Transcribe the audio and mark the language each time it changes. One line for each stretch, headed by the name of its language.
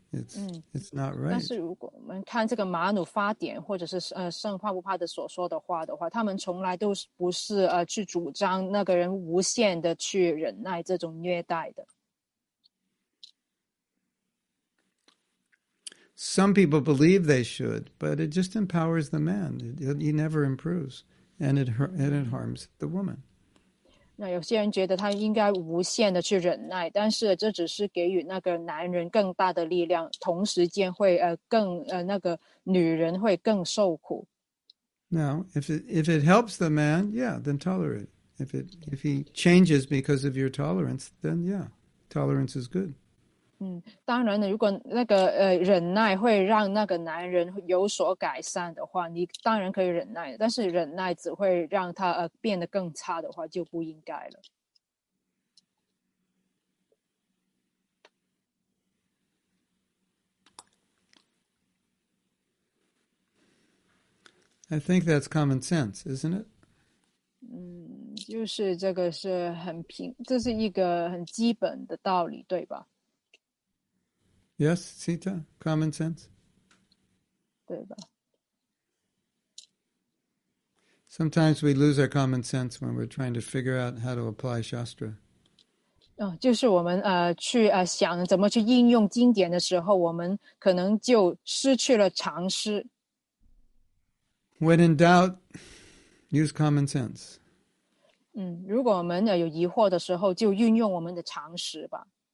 English: It's not right.
Chinese: 但是如果我们看这个马努发典或者是圣帕布帕德所说的话的话，他们从来都不是去主张那个人无限的去忍耐这种虐待的。
English: Some people believe they should, but it just empowers the man. He never improves, and it harms the woman.
Chinese: 那有些人觉得他应该无限的去忍耐，但是这只是给予那个男人更大的力量，同时间会那个女人会更受苦。
English: Now, if it helps the man, yeah, then tolerate. If he changes because of your tolerance, then yeah, tolerance is good.
Chinese: 当然了，如果那个忍耐会让那个男人有所改善的话，你当然可以忍耐，但是忍耐只会让他变得更差的话，就不应该了。
English: I think that's common sense, isn't it?
Chinese: 就是这个是很平，这是一个很基本的道理，对吧？
English: Yes, Sita, common sense.
Chinese: 对吧?
English: Sometimes we lose our common sense when we're trying to figure out how to apply Shastra.
Chinese: 就是我们去想怎么去应用经典的时候，我们可能就失去了常识。
English: When in doubt, use common sense.
Chinese: 如果我们有疑惑的时候，就运用我们的常识吧。